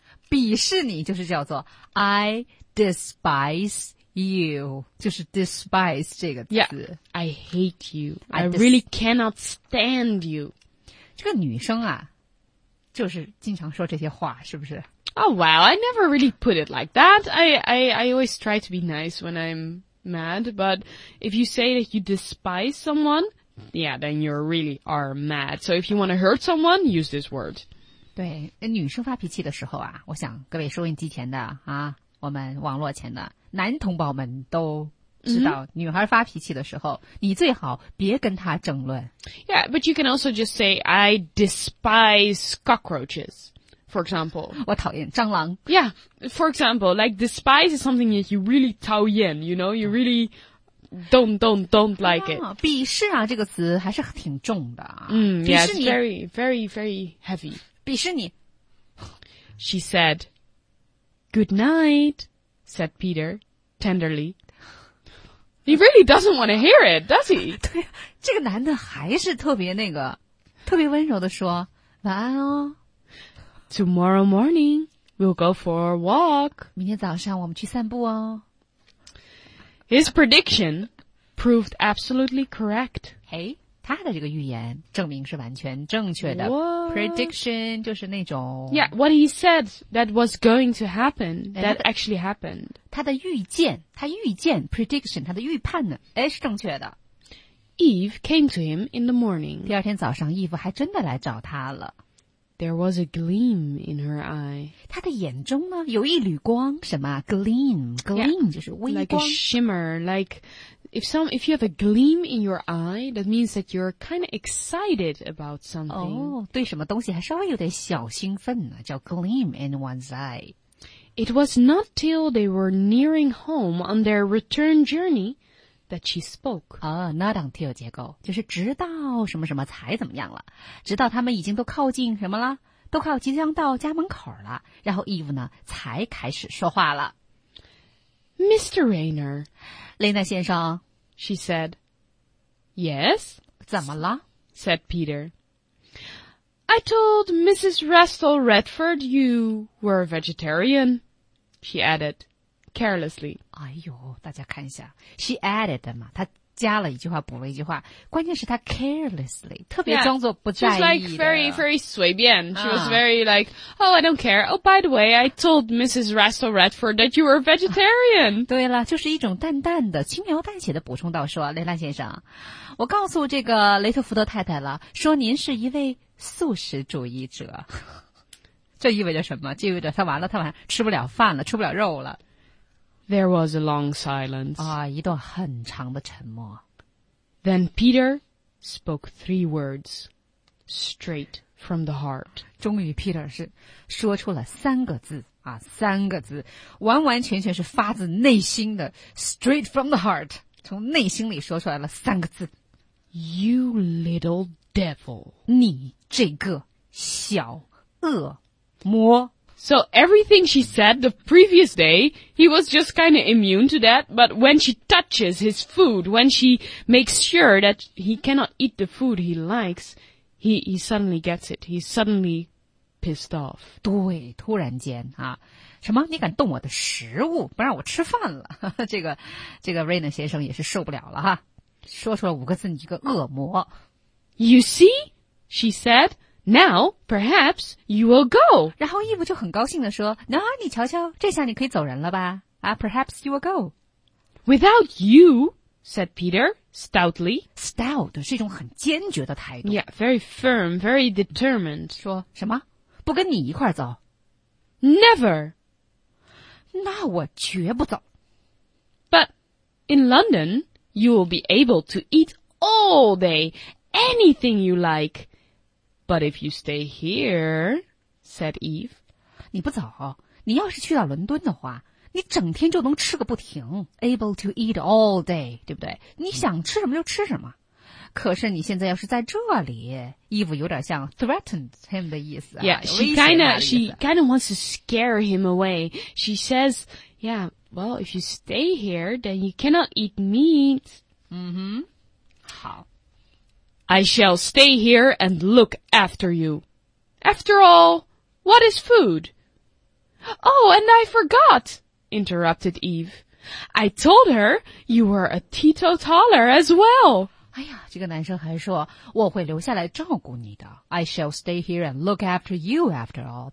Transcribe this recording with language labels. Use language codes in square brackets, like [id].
[zh] 鄙视你就是叫做 [en] I despise you， [zh] 就是 despise 这个词。 [en] Yeah, I hate you. I really cannot stand you. [zh] 这个女生啊，就是经常说这些话，是不是 [en] ？Oh well, I never really put it like that. I always try to be nice when I'm mad. But if you say that you despise someone, yeah, then you really are mad. So if you want to hurt someone, use this word. [zh] 对，女生发脾气的时候啊，我想各位收音机前的啊，我们网络前的男同胞们都知道，女孩发脾气的时候，你最好别跟她争论。 [en] Yeah, but you can also just say I despise cockroaches, for example. [zh] 我讨厌蟑螂。 [en] Yeah, for example, like despise is something that you really [zh] 讨厌 [en] you know, you really don't like it. [zh] 鄙视啊，这个词还是挺重的啊。 [en] Yeah, it's very, very, very heavy. [zh] 鄙视你 [en] She said, good night, said Peter, tenderly. He really doesn't want to hear it, does he? [zh] 对，这个男的还是特别那个，特别温柔地说，晚安哦。 [en] Tomorrow morning, we'll go for a walk. [zh] 明天早上我们去散步哦。 [en] His prediction proved absolutely correct. Hey. [zh] 他的这个预言证明是完全正确的。 [en] What? [zh] Prediction 就是那种。 [en] Yeah, what he said that was going to happen, that actually happened. [zh] 他预见 prediction, 他的预判呢，哎，是正确的。 [en] Eve came to him in the morning. [zh] 第二天早上 ,Eve 还真的来找他了。 [en] There was a gleam in her eye. [zh] 他的眼中呢有一缕光，什么 ,gleam,gleam, [en] yeah, [zh] 就是微光。 [en] Like a shimmer, like,If you have a gleam in your eye, that means that you're kind of excited about something. [zh] Oh, 对什么东西还稍微有点小兴奋呢，叫 [en] gleam in one's eye. It was not till they were nearing home on their return journey that she spoke. [zh] Not until 结构，就是直到什么什么才怎么样了，直到他们已经都靠近什么了，都靠即将到家门口了，然后 Eve 呢才开始说话了。 [en] Mr. Rayner, [zh] 雷娜先生 [en] she said, yes, [zh] 怎么了 [en] said Peter. I told Mrs. Restall Redford you were a vegetarian, she added, carelessly. [zh] 哎呦，大家看一下 [en] she added [zh] 嘛，她加了一句话，补了一句话，关键是她 carelessly, 特别装作不在意的。 [en] Yeah, she was like very, very [zh] 随便 [en] She was very like, oh, I don't care. Oh, by the way, I told Mrs. Russell Redford that you were a vegetarian. [zh] 对了，就是一种淡淡的、轻描淡写的补充到说，雷娜先生，我告诉这个雷特福德太太了，说您是一位素食主义者。这意味着什么？这意味着他完了，吃不了饭了，吃不了肉了。 [en] There was a long silence. [zh] 啊，一段很长的沉默。 [en] Then Peter spoke three words straight from the heart. [zh] 终于 Peter 是说出了三个字啊，三个字，完完全全是发自内心的 [en] straight from the heart, [zh] 从内心里说出来了三个字。 [en] You little devil. [zh] 你这个小恶魔。 [en] So everything she said the previous day, he was just kind of immune to that. But when she touches his food, when she makes sure that he cannot eat the food he likes, he suddenly gets it. He's suddenly pissed off. [zh] 对，突然间啊，什么？你敢动我的食物，不让我吃饭了？这个 Raina 先生也是受不了了哈。说出了五个字，你一个恶魔。 [en] You see, she said. Now, perhaps, you will go. [zh] 然后 Eve 就很高兴地说，那你瞧瞧，这下你可以走人了吧。 [en] Perhaps you will go. Without you, said Peter, stoutly. [zh] Stout 是一种很坚决的态度。 [en] Yeah, very firm, very determined. [zh] 说什么？不跟你一块走。 [en] Never. [zh] 那我绝不走。 [en] But in London, you will be able to eat all day, anything you like. But if you stay here, said Eve. [zh] 你不走，你要是去到伦敦的话，你整天就能吃个不停。 [en] Able to eat all day, [zh] 对不对？你想吃什么就吃什么。可是你现在要是在这里， Eve 有点像 [en] threatened him [zh] 的意思。 [en] Yeah, she kind of wants to scare him away. She says, yeah, well, if you stay here, then you cannot eat meat. [zh] 嗯哼，好。 [en] I shall stay here and look after you. After all, what is food? Oh, and I forgot, interrupted Eve. I told her you were a teetotaler as well. [zh] 哎呀，这个男生还说，我会留下来照顾你的。 [en] I shall stay here and look after you after all.